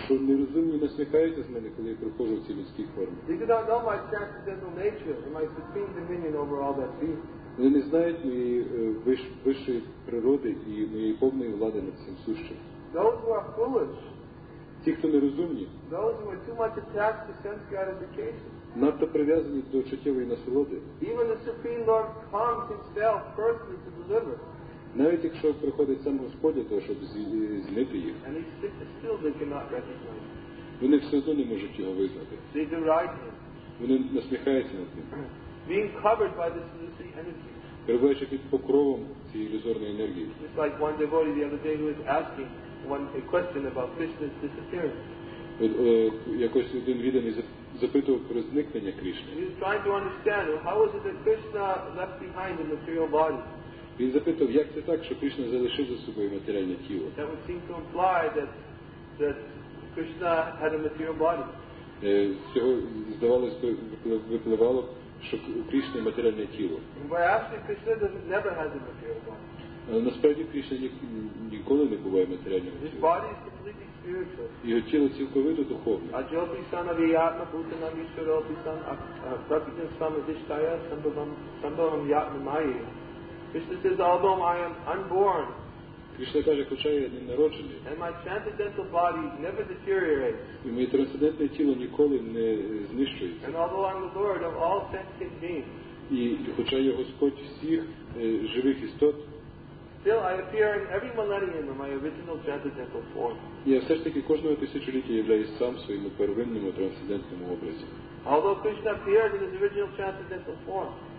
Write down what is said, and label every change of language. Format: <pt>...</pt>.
<uk>Що нерозумні насміхаються з мене, коли я приходжу в цій людській формі.</uk> <en>They do not know my transcendental nature and my supreme dominion over all that being.</en> <uk>Вони не знають моєї вищої природи і моєї повної влади над всім сущим.</uk> <en>Those who are foolish.</en> <uk>Ті, хто нерозумні.</uk> <en>Those who are too much attached to sense gratification.</en> <uk>Надто прив'язані до чуттєвої насолоди.</uk> <en>Even the Supreme Lord comes himself personally to deliver.</en> <uk>Навіть якщо приходить сам Господь для того, щоб знити їх.</uk> <en>And still they cannot recognize.</en> <uk>Вони все одно не можуть його визнати.</uk> <en>They deride him.</en> <uk>Вони насміхаються над ним.</uk> <en>Being covered by this illusory energy.</en> <uk>Перебуваючи під покровом цієї ілюзорної енергії.</uk> <en>It's like one devotee the other day who was asking a question about Krishna's disappearance.</en> <uk>Якось один відомий запитував про зникнення Кришни.</uk> <en>He was trying to understand, well, how is it that Krishna left behind the material body?</en> <uk>Він запитував, як це так, що Кришна залишив за собою матеріальне тіло?</uk> <en>That would seem to imply that Krishna had a material body.</en> <uk>Цього здавалося випливало, що Кришна матеріальне тіло.</uk> <en>By actually, Krishna never has a material body.</en> <uk>Насправді Кришна ніколи не буває матеріальним тілом.</uk> <en>His body is completely spiritual.</en> <uk>Його тіло цілковито духовне.</uk> <sa>Ajopi sanaviyatma bhutanam ishwaropi san prakritam samadishtaya sambhavam yatmamayi.</sa> <en>Krishna says, although I am unborn,</en> <uk>Кришна каже, хоча я не народжений,</uk> <en>and my transcendental body never deteriorates,</en> <uk>і моє трансцендентне тіло ніколи не знищується,</uk> <en>and although I'm the Lord of all sentient beings,</en> <uk>і хоча я Господь всіх живих істот,</uk> <en>still I appear in every millennium in my original transcendental form.</en> <uk>Я все ж таки кожного тисячоліття являюсь сам своєму первинному трансцендентному образі.</uk> <en>Although Krishna appeared in his original transcendental form,</en>